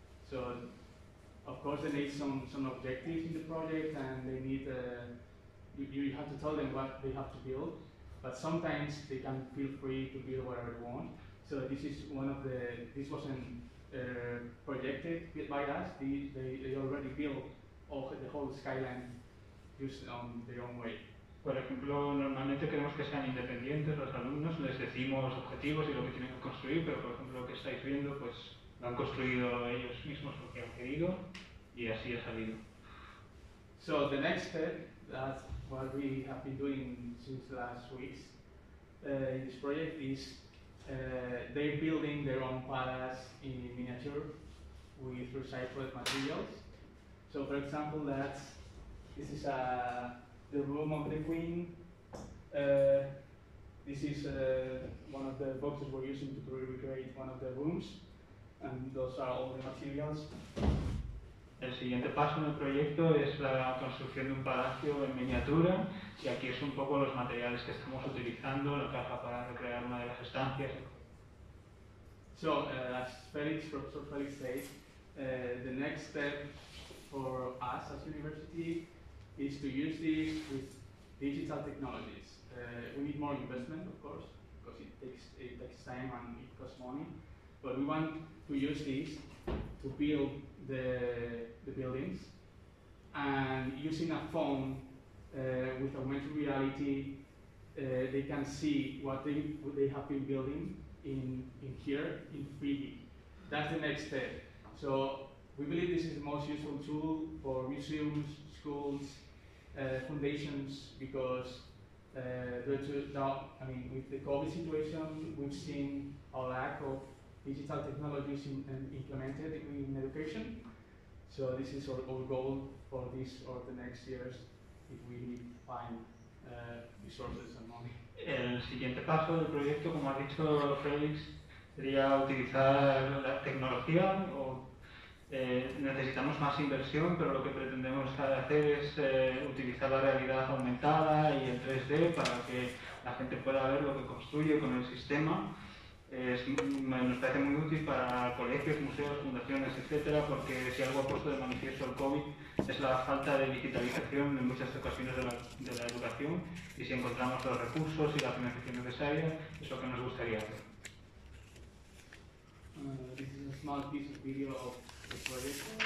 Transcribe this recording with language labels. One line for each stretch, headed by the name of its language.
English: So, of course, they need some objectives in the project, and they need you have to tell them what they have to build. But sometimes they can feel free to build whatever they want. So this is one of the. This wasn't. Projected by us, they already built the whole skyline used on their own way.
Spanish: Por ejemplo, normalmente queremos que sean independientes los alumnos, les decimos objetivos y lo que tienen que construir, pero por ejemplo lo que estáis viendo, pues lo han construido ellos mismos lo que han querido y así ha salido.
English: So the next step, that's what we have been doing since last week in this project is they're building their own palace in miniature with recycled materials. So, for example, this is the room of the queen. This is one of the boxes we're using to recreate one of the rooms, and those are all the materials.
Spanish: El siguiente paso en el proyecto es la construcción de un palacio en miniatura y aquí es un poco los materiales que estamos utilizando, la caja para recrear una de las estancias.
English: So, as Felix, Professor Felix said, the next step for us as university is to use this with digital technologies. We need more investment, of course, because it takes time and it costs money, but we want to use this to build the buildings, and using a phone with augmented reality, they can see what they have been building in here in 3D. That's the next step. So we believe this is the most useful tool for museums, schools, foundations, because with the COVID situation, we've seen a lack of digital technologies implemented in education. So this is our goal for this or the next years, if we find resources and money.
Spanish: El siguiente paso del proyecto, como ha dicho Félix, sería utilizar la tecnología. Necesitamos más inversión, pero lo que pretendemos hacer es utilizar la realidad aumentada y el 3D para que la gente pueda ver lo que construye con el sistema. Nos parece muy útil para colegios, museos, fundaciones, etcétera, porque si algo ha puesto de manifiesto el COVID es la falta de digitalización en muchas ocasiones de la educación, y si encontramos los recursos y la financiación necesaria, es lo que nos gustaría hacer.
English: This is a small piece of video of the project.